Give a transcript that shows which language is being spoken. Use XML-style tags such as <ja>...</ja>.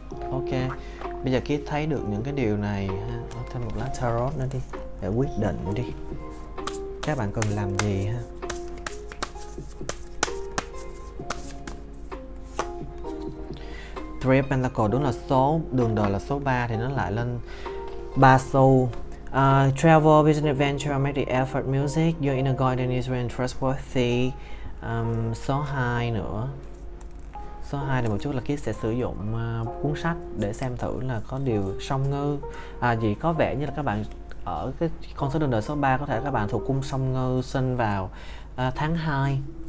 <vi>Ok, bây giờ Kiết thấy được những cái điều này ha. Thêm một lá tarot nữa đi, để quyết định đi các bạn cần làm gì ha. Three of Pentacles, đúng là số đường đời là số 3, thì nó lại lên 3 số.</vi> <en>Travel, business adventure, make the effort, music, your inner guidance is really trustworthy.</en> <vi>Số 2 nữa. Số 2 thì một chút là Kiết sẽ sử dụng cuốn sách để xem thử là có điều song ngư. Vì có vẻ như là các bạn ở cái con số đường đời số 3, có thể các bạn thuộc cung song ngư, sinh vào tháng 2.</vi>